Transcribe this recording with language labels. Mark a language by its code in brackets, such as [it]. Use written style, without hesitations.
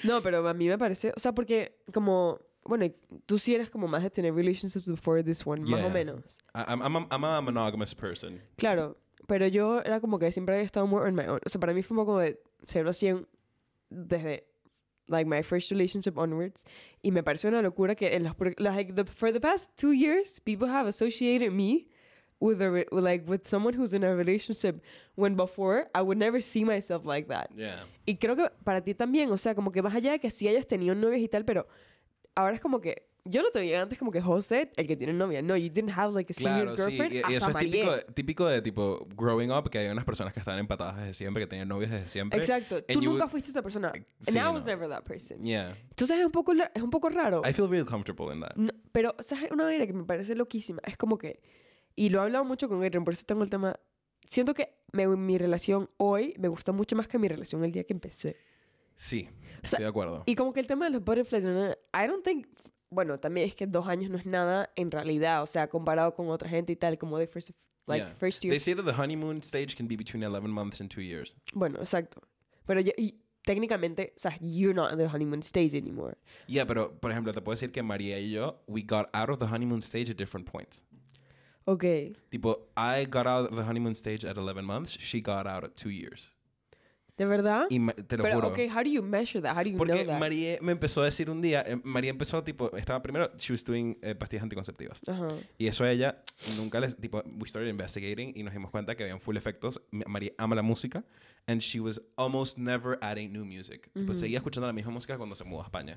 [es] No, pero a mí me parece... O sea, porque como... Bueno, tú sí eras como más de tener [en] relationships before this one, yeah. [es] Más o menos. [en] I'm a monogamous person. [es] Claro. Pero yo era como que siempre había estado [en] more on my own. [es] O sea, para mí fue un poco de 0 a 100 desde, [en] like, my first relationship onwards. [es] Y me pareció una locura que en [en] for the past 2 years, people have associated me with someone who's in a relationship when before I would never see myself like that. Yeah. [es] Y creo que para ti también, o sea, como que más allá de que sí hayas tenido novias y tal, pero ahora es como que... Yo no te veía antes como que José, el que tiene novia. [en] No, you didn't have like a senior [es] claro, [en] girlfriend. [es] Sí. Y eso es típico de tipo growing up, que hay unas personas que están empatadas desde siempre, que tenían novias desde siempre. Exacto. [en] And [es] tú nunca fuiste esa persona. Sí, [en] and I [es] no. [en] was never that person. Yeah. [es] Entonces es un poco raro. [en] I feel really comfortable in that. [es] No, pero, o sea, una idea que me parece loquísima. Es como que... Y lo he hablado mucho con Aaron, por eso tengo el tema... Siento que mi relación hoy me gusta mucho más que mi relación el día que empecé. Sí, o sea, estoy de acuerdo. Y como que el tema de los butterflies, [en] no, I don't think... [es] Bueno, también es que 2 años no es nada en realidad. O sea, comparado con otra gente y tal, como de first year. [en] They say that the honeymoon stage can be between 11 months and 2 years. [es] Bueno, exacto. Pero ya, y, técnicamente, o sea, [en] you're not in the honeymoon stage anymore. Yeah, [es] pero, por ejemplo, te puedo decir que María y yo, [en] we got out of the honeymoon stage at different points. Okay. [es] Tipo, [en] I got out of the honeymoon stage at 11 months, she got out at 2 years. [es] ¿De verdad? Y te lo pero, juro. [en] Pero, okay, how do you measure that? How do you [es] porque [en] know that? [es] Porque María me empezó a decir un día, María empezó, tipo, estaba primero, [en] she was doing [es] pastillas anticonceptivas. Uh-huh. Y eso a ella, nunca les, tipo, [en] we started investigating [es] y nos dimos cuenta que habían full efectos. María ama la música [en] and she was almost never adding new music. Uh-huh. [es] Tipo, seguía escuchando la misma música cuando se mudó a España.